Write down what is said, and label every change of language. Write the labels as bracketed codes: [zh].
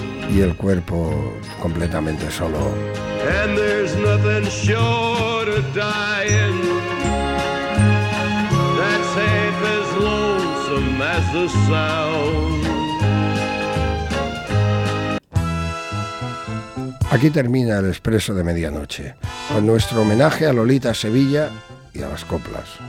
[es] Y el cuerpo completamente solo. [en] And there's nothing short of dying that's half as lonesome as the sound. [es] Aquí termina el Expreso de Medianoche, con nuestro homenaje a Lolita Sevilla y a las coplas.